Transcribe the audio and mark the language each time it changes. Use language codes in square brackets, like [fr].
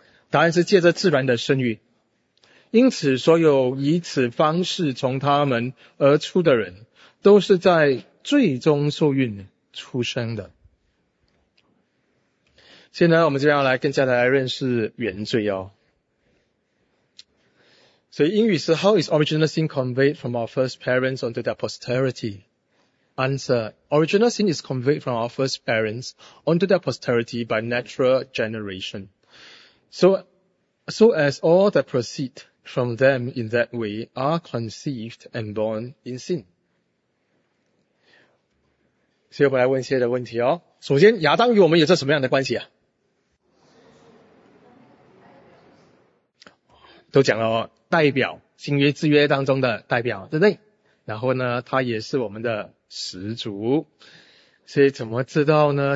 [zh] 答案是借着自然的生育。因此，所有以此方式从他们而出的人，都是在罪中受孕出生的。现在，我们就要来更加的来认识原罪哦。所以，英语是 [en] How is original sin conveyed from our first parents onto their posterity? Answer: Original sin is conveyed from our first parents onto their posterity by natural generation. So as all that proceed from them in that way are conceived and born in sin. [zh] 所以我们来问一些的问题哦。首先，亚当与我们有着什么样的关系啊？都讲了哦，代表新约之约当中的代表，对不对？然后呢，他也是我们的始祖。所以怎么知道呢？